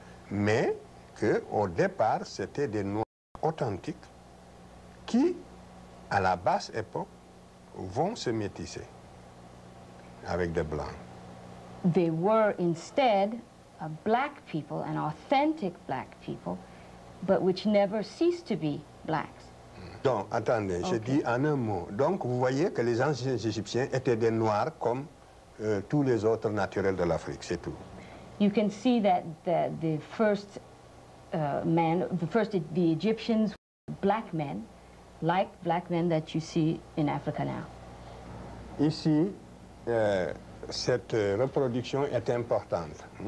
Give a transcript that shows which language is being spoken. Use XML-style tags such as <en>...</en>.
<fr>Mais que au départ c'était des noirs authentiques qui, à la basse époque, vont se métisser avec des blancs.</fr> <en>They were instead a black people, an authentic black people, but which never ceased to be blacks.</en> <fr>Donc, attendez, okay. Je dis en un mot. Donc, vous voyez que les anciens Égyptiens étaient des noirs comme tous les autres naturels de l'Afrique, c'est tout.</fr> <en>You can see that the Egyptians were black men, like black men that you see in Africa now.</en> <fr>Ici, cette reproduction est importante.</fr>